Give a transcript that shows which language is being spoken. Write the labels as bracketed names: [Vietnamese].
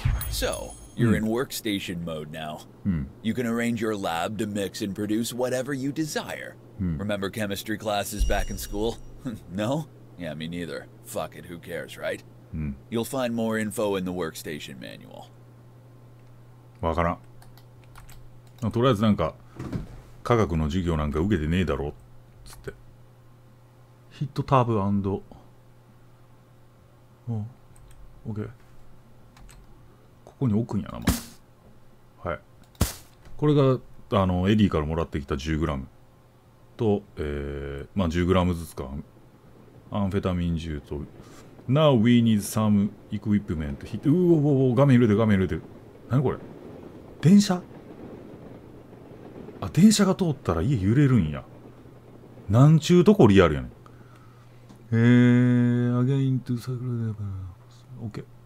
[English] So, you're in workstation mode now. You can arrange your lab to mix and produce whatever you desire. Remember chemistry classes back in school? No? Yeah, me neither. Fuck it, who cares, right? You'll find more info in the workstation manual. [Japanese] わからん。とりあえずなんか科学の授業なんか受けてねえだろっつって。ヒットタブ&お、オッケー。ここに置くんやな、まず。はい。これがあのエディからもらってきた 10g と、まあ 10g ずつか、アンフェタミン銃と。 [English] Now we need some equipment. [Japanese] うおおお、画面揺れてる、画面揺れてる。何これ、電車。あ、電車が通ったら家揺れるんや。なんちゅうとこリアルやねん。 [English] again to circle the OK。